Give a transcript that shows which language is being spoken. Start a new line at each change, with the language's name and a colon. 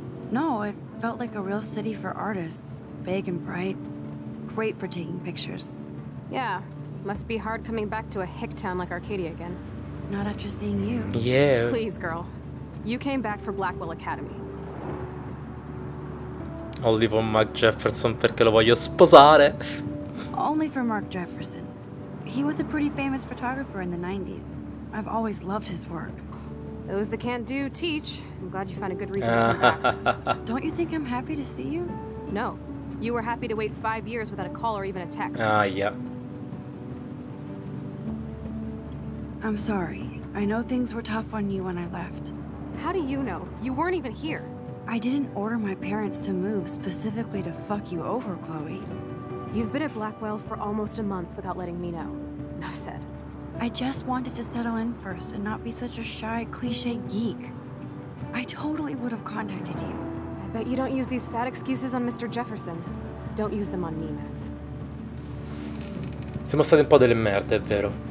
English: No, it felt like a real city for artists. Big and bright. Great for taking pictures. Yeah, must be hard coming back to a hick town like Arcadia again. Not after seeing you. Yeah. Please, girl. You came back for Blackwell Academy. Only for
Italian: Mark Jefferson perché lo voglio sposare.
English: Only for Mark Jefferson. He was a pretty famous photographer in the 90s. I've always loved his work. Those that can't do, teach. I'm glad you found a good reason to come back. Don't you think I'm happy to see you? No, You were happy to wait 5 years without a call or even a text. Yeah. I'm sorry. I know things were tough on you when I left. How do you know? You weren't even here. I didn't order my parents to move specifically to fuck you over, Chloe. You've been at Blackwell for almost a month without letting me know. Enough said. I just wanted to settle in first and not be such a shy, cliche geek. I totally would have contacted you. I bet you don't use these sad excuses on Mr. Jefferson. Don't use them on me, Max.
Italian: Siamo stati un po' delle merde, è vero.